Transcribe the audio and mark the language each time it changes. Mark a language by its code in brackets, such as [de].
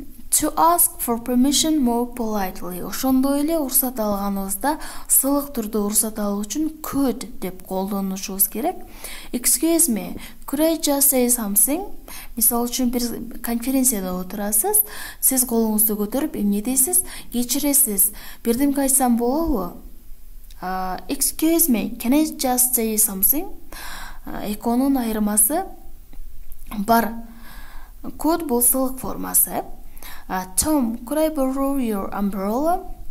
[en] To ask for permission more politely. [ky] Ошондой эле уруксат алганыбызда сылык түрдө уруксат алуу үчүн could деп колдонушубуз керек. [en] Excuse me, could I just say something? [ky] Мисалы үчүн бир конференцияда отурасыз, сиз колуңузду көтөрүп эмне дейсиз? Кечиресиз, бирдемке айтсам болобу? [en] Excuse me, can I just say something? [ky] Экөөнүн айырмасы бар. Could бул сылык формасы. [en] Tom, could I borrow your umbrella?